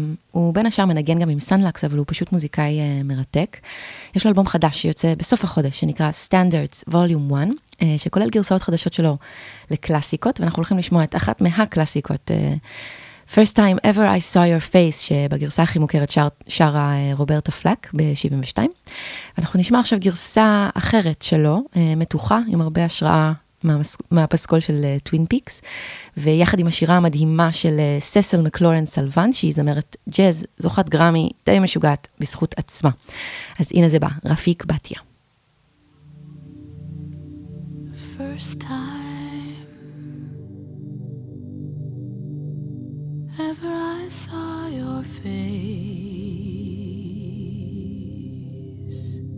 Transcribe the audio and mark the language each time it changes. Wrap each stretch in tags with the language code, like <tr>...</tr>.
<he>הוא בין השאר מנגן גם עם סנלקס, אבל הוא פשוט מוזיקאי מרתק. יש לו אלבום חדש שיוצא בסוף החודש, שנקרא Standards Volume 1, שכולל גרסאות חדשות שלו לקלאסיקות, ואנחנו הולכים לשמוע את אחת מהקלאסיקות. First Time Ever I Saw Your Face, שבגרסה הכי מוכרת שרה רוברטה פלק ב-72. ואנחנו נשמע עכשיו גרסה אחרת שלו, מתוחה, עם הרבה השראה, מהפסקול של טווין פיקס, ויחד עם השירה המדהימה של ססל מקלורן סלוון, שהיא זמרת ג'אז, זוכת גרמי, די משוגעת בזכות עצמה. אז הנה זה בא, רפיק בתיה.</he> <en>First time ever I saw your face,</en>